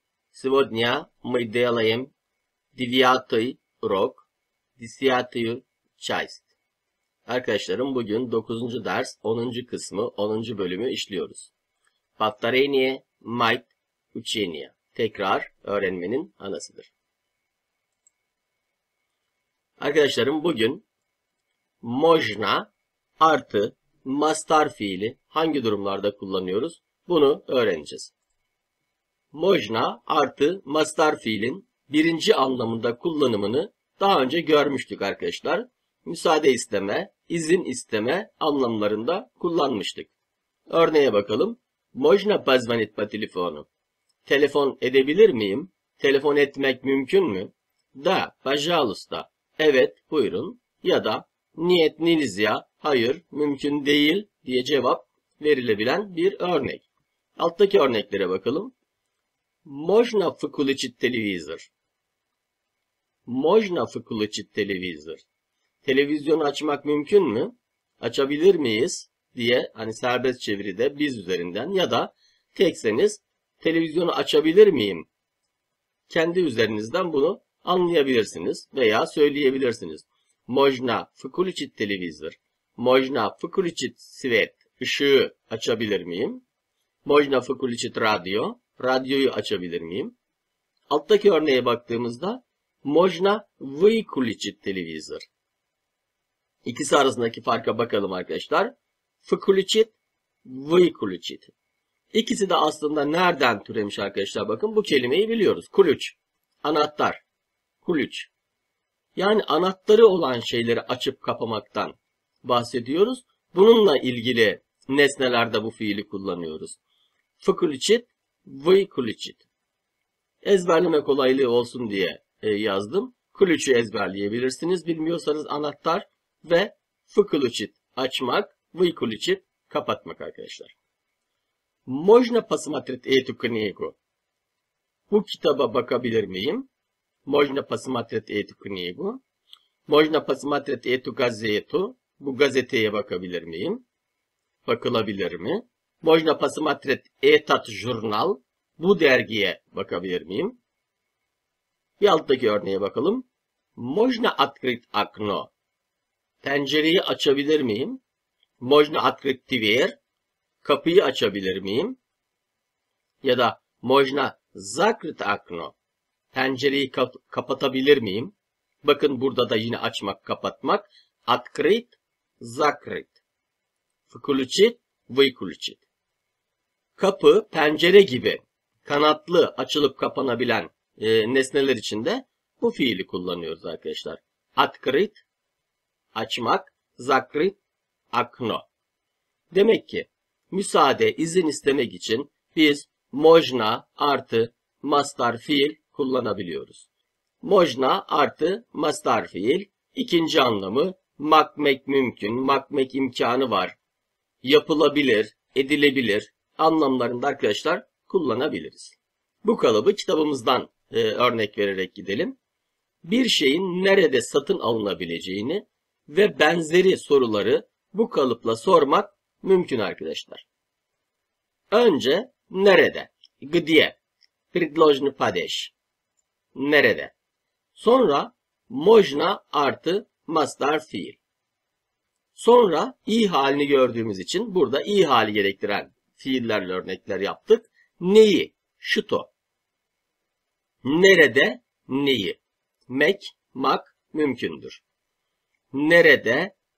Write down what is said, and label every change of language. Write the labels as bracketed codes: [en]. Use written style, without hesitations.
[ru] Сегодня мы делаем девятый урок, десятую часть. [tr] Arkadaşlarım, bugün 9. ders, 10. kısmı, 10. bölümü işliyoruz. [ru] Повторение – мать учения. [tr] Tekrar öğrenmenin anasıdır. Arkadaşlarım, bugün можно artı мастар фиили hangi durumlarda kullanıyoruz? Bunu öğreneceğiz. Можно artı мастар фиилин birinci anlamında kullanımını daha önce görmüştük arkadaşlar. Müsaade isteme, izin isteme anlamlarında kullanmıştık. Örneğe bakalım. [ru] Можно позвонить по телефону? [tr] Telefon edebilir miyim? Telefon etmek mümkün mü? [ru] Да, пожалуйста. [tr] Evet, buyurun. Ya da [ru] нет, нельзя. [tr] Hayır, mümkün değil diye cevap verilebilen bir örnek. Alttaki örneklere bakalım. [ru] Можно выключить телевизор? Можно выключить телевизор? [tr] Televizyonu açmak mümkün mü? Açabilir miyiz? Diye hani serbest çeviride biz üzerinden ya da tekseniz televizyonu açabilir miyim? Kendi üzerinizden bunu anlayabilirsiniz veya söyleyebilirsiniz. [ru] Можно выключить телевизор? Можно выключить свет? [tr] Işığı açabilir miyim? [ru] Можно выключить радио? [tr] Radyoyu açabilir miyim? Alttaki örneğe baktığımızda [ru] можно выключить телевизор. [tr] İkisi arasındaki farka bakalım arkadaşlar. [ru] Выключить, выключить. [tr] İkisi de aslında nereden türemiş arkadaşlar bakın. Bu kelimeyi biliyoruz. [ru] Ключ, [tr] anahtar. [ru] Ключ. [tr] Yani anahtarı olan şeyleri açıp kapamaktan bahsediyoruz. Bununla ilgili nesnelerde bu fiili kullanıyoruz. [ru] Выключить. Выключить. [tr] Ezberleme kolaylığı olsun diye yazdım. Ключи ezberleyebilirsiniz. Bilmiyorsanız anahtar ve выключить açmak, выключить kapatmak arkadaşlar. [ru] Можно посмотреть эту книгу? [tr] Bu kitaba bakabilir miyim? [ru] Можно посмотреть эту книгу? Можно посмотреть эту газету? [tr] Bu gazeteye bakabilir miyim? Bakılabilir mi? [ru] Можно посмотреть этот журнал? [tr] Bu dergiye bakabilir miyim? Bir alttaki örneğe bakalım. [ru] Можно открыть окно? [tr] Pencereyi açabilir miyim? [ru] Можно открыть дверь? [tr] Kapıyı açabilir miyim? Ya da [ru] можно закрыть окно? [tr] Pencereyi kapatabilir miyim? Bakın burada da yine açmak, kapatmak. [ru] Открыть, закрыть. Включить, выключить. [tr] Kapı, pencere gibi. Kanatlı, açılıp kapanabilen nesneler için de bu fiili kullanıyoruz arkadaşlar. [ru] Открыть, [tr] açmak, [ru] закрыть, окно. [tr] Demek ki müsaade, izin istemek için biz можно artı мастар фиил kullanabiliyoruz. Можно artı мастар фиил ikinci anlamı makmek mümkün, makmek imkanı var, yapılabilir, edilebilir anlamlarında arkadaşlar kullanabiliriz. Bu kalıbı kitabımızdan örnek vererek gidelim. Bir şeyin nerede satın alınabileceğini ve benzeri soruları bu kalıpla sormak mümkün arkadaşlar. Önce nerede? [ru] Где? Предложить подешь. [tr] Nerede? Sonra можно artı мастар фиил. Sonra iyi halini gördüğümüz için burada iyi hali gerektiren fiillerle örnekler yaptık. Neyi? Şuto. Nerede? Neyi? Mek, mak mümkündür. Nerede?